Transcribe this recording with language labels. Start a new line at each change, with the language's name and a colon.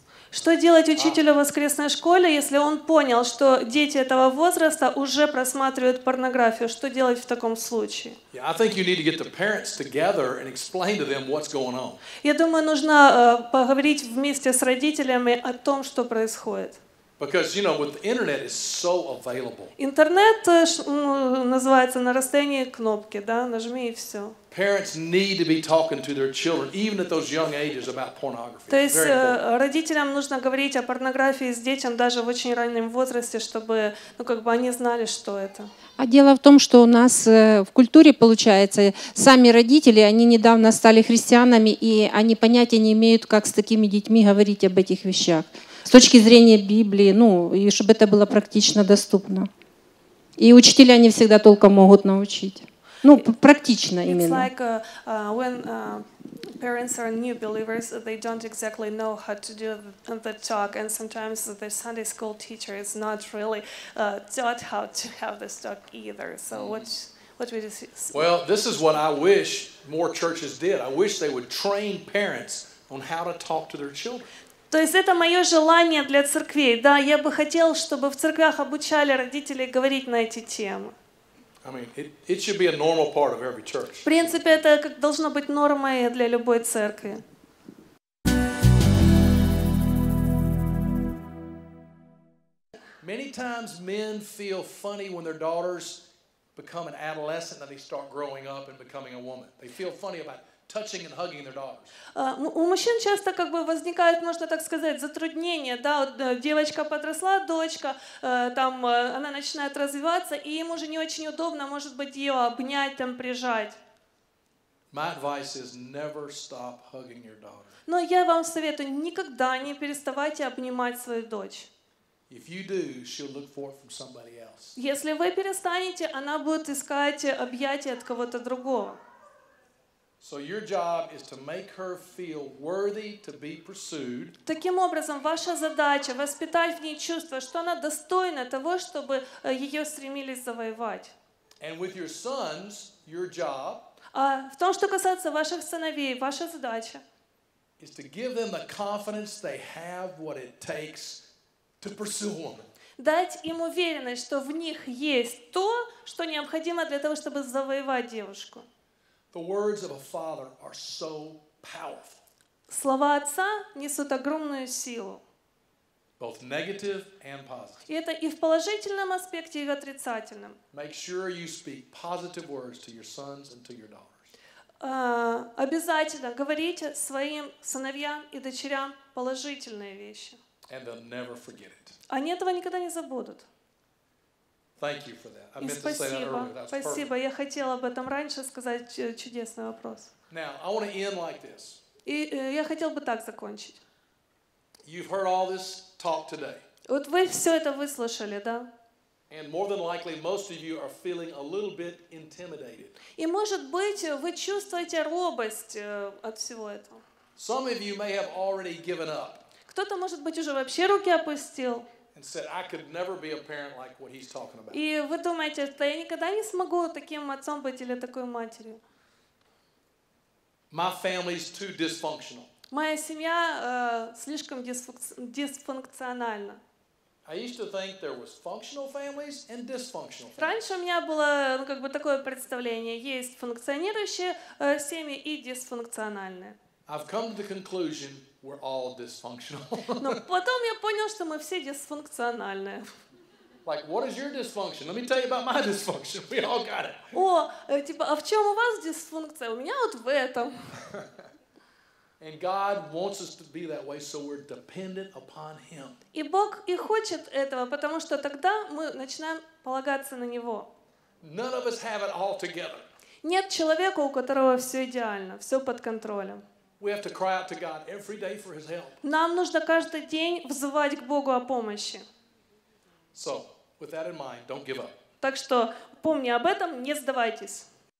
Russian: Что делать учителю в воскресной школе, если он понял, что дети этого возраста уже просматривают порнографию? Что делать в таком случае?
English: Yeah, I think you need to get the parents together and explain to them what's going on.
Russian: Я думаю, нужно поговорить вместе с родителями о том, что происходит.
English: Because, you know, with the internet is so available.
Russian: Интернет называется на расстоянии кнопки, да, нажми и все.
English: Parents need to be talking to their children, even at those young ages, about pornography.
Russian: То есть родителям нужно говорить о порнографии с детям даже в очень раннем возрасте, чтобы, ну, как бы они знали, что это. А дело в том, что у нас в культуре, получается, сами родители, они недавно стали христианами, и они понятия не имеют, как с такими детьми говорить об этих вещах. С точки зрения Библии, ну, и чтобы это было практично доступно. И учителя не всегда толком могут научить. Ну, практично именно.
English: It's like when parents are new believers, they don't exactly know how to do the talk, and sometimes the Sunday school teacher is not really taught how to have this talk either. So what would you say? Well, this is what I wish more churches did. I wish they would train parents on how to talk to their children.
Russian: То есть это мое желание для церквей. Да, я бы хотел, чтобы в церквях обучали родителей говорить на эти темы.
English: I mean, it should be a normal part of every church.
Russian: В принципе, это как должно быть нормой для любой церкви.
English: Many times men feel funny when their daughters become an adolescent and they start growing up and becoming a woman. They feel funny about touching and hugging their daughters.
Russian: У мужчин часто как бы возникает, можно так сказать, затруднение, да, вот девочка подросла, дочка, там, она начинает развиваться, и им уже не очень удобно, может быть, ее обнять, там, прижать.
English: My advice is never stop hugging your daughter.
Russian: Но я вам советую, никогда не переставайте обнимать свою дочь.
English: If you do, she'll look for it from somebody else.
Russian: Если вы перестанете, она будет искать объятия от кого-то другого.
English: So your job is to make her feel worthy to be pursued.
Russian: Таким образом, ваша задача воспитать в ней чувство, что она достойна того, чтобы ее стремились завоевать.
English: And with your sons, your job.
Russian: А в том, что касается ваших сыновей, ваша задача.
English: Is to give them the confidence they have what it takes. To pursue woman.
Russian: Дать им уверенность, что в них есть то, что необходимо для того, чтобы завоевать девушку.
English: The words of a father are so powerful.
Russian: Слова отца несут огромную силу.
English: Both negative and positive.
Russian: И это и в положительном аспекте, и в отрицательном.
English: Make sure you speak positive words to your sons and to your daughters.
Russian: Обязательно говорите своим сыновьям и дочерям положительные вещи.
English: And they'll never forget it.
Russian: Они этого никогда не забудут.
English: Thank you for that. I meant to say that earlier. That's perfect.
Russian: Спасибо. Я хотела об этом раньше сказать. Чудесный вопрос.
English: Now I want to end like this.
Russian: И я хотел бы так закончить.
English: You've heard all this talk today.
Russian: Вот вы все это выслушали, да?
English: And more than likely, most of you are feeling a little bit intimidated.
Russian: И может быть, вы чувствуете робость от всего этого.
English: Some of you may have already given up.
Russian: Кто-то, может быть, уже вообще руки опустил.
English: Like
Russian: и вы думаете, что я никогда не смогу таким отцом быть или такой матерью.
English: My family's too dysfunctional.
Russian: Моя семья слишком дисфункциональна.
English: I used to think there was functional families and dysfunctional families.
Russian: Раньше у меня было как бы такое представление. Есть функционирующие семьи и дисфункциональные.
English: I've come to the conclusion we're all dysfunctional.
Russian: Но потом я понял, что мы все дисфункциональные.
English: Like, what is your dysfunction? Let me tell you about my dysfunction. We all got it.
Russian: О, типа, а в чем у вас дисфункция? У меня вот в этом.
English: And God wants us to be that way, so we're dependent upon Him.
Russian: И Бог и хочет этого, потому что тогда мы начинаем полагаться на Него.
English: None of us have it all together.
Russian: Нет человека, у которого все идеально, все под контролем.
English: We have to cry out to God every day for His help.
Russian: Нам нужно каждый день взывать к Богу о помощи.
English: So, with that in mind, don't give up.
Russian: Так что помни об этом, не сдавайтесь.